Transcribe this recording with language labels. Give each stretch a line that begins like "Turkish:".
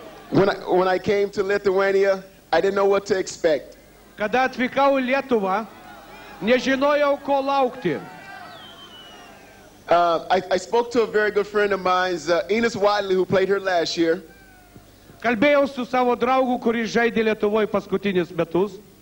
English: When I came to Lithuania, I didn't know what to expect.
Lithuanian: Kada atvykau į Lietuvą, nežinojau ko laukti.
English: I spoke to a very good friend of mine, Ines Wiley, who played here last year.
Lithuanian: Kalbėjau su savo draugu, kuris žaidė Lietuvoje paskutinius metus.